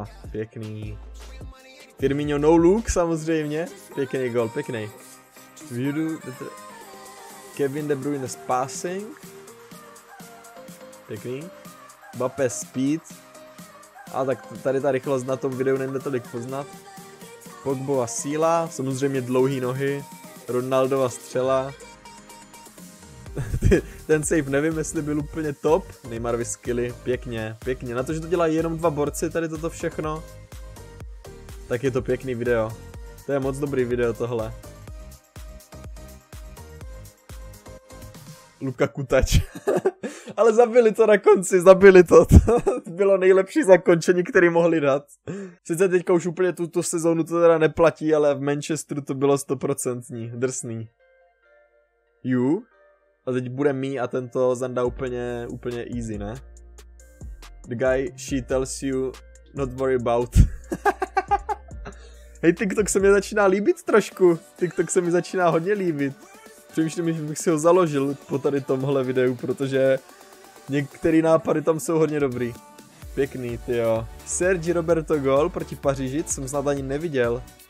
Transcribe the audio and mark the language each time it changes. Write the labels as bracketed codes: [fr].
[cs] Pěkný. Firmino no look samozřejmě. Pěkný gol, pěkný. [en] Kevin De Bruyne is passing. [cs] Pěkný. Mbappé speed. A tak tady ta rychlost na tom videu nejde tolik poznat. Pogbova síla, samozřejmě dlouhý nohy. Ronaldova střela. Ten save nevím, jestli byl úplně top. Neymarovy skilly, pěkně, pěkně. Na to, že to dělají jenom dva borci tady toto všechno, tak je to pěkný video. To je moc dobrý video tohle. Luka Kutač. Ale zabili to na konci, zabili to. To bylo nejlepší zakončení, které mohli dát. Sice teďka už úplně tuto sezónu to teda neplatí, ale v Manchesteru to bylo 100% drsný. Ju. A teď bude me a tento zanda úplně easy, ne? [en] The guy she tells you not worry about. [cs] Hej, TikTok se mi začíná líbit trošku. TikTok se mi začíná hodně líbit. Přemýšlím, že bych si ho založil po tady tomhle videu, protože některé nápady tam jsou hodně dobrý. Pěkný, tyjo. Sergi Roberto gol proti Paříži, jsem snad ani neviděl.